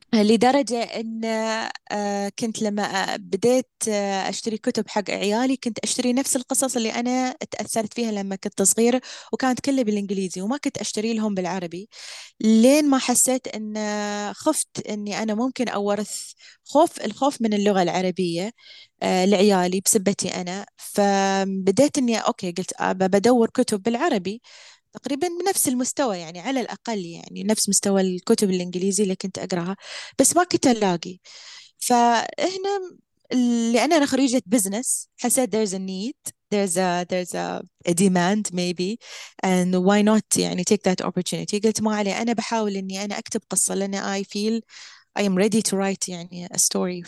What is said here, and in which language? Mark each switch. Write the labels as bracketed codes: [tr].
[ar] لدرجة أن كنت لما بديت أشتري كتب حق عيالي كنت أشتري نفس القصص اللي أنا تأثرت فيها لما كنت صغيرة، وكانت كلها بالإنجليزي وما كنت أشتري لهم بالعربي، لين ما حسيت أن خفت أني أنا ممكن أورث الخوف من اللغة العربية لعيالي بسبتي أنا. فبديت أني أوكي، قلت بدور كتب بالعربي تقريبا بنفس المستوى، يعني على الأقل يعني نفس مستوى الكتب الإنجليزية اللي كنت أقرأها، بس ما كنت ألاقي. فهنا لأن أنا خريجة بزنس حسيت [en] there's a need, there's a demand maybe, and why not يعني take that opportunity. [ar] قلت ما علي، أنا بحاول أني أنا أكتب قصة، لأن [en] I feel I am ready to write [ar] يعني [en] a story.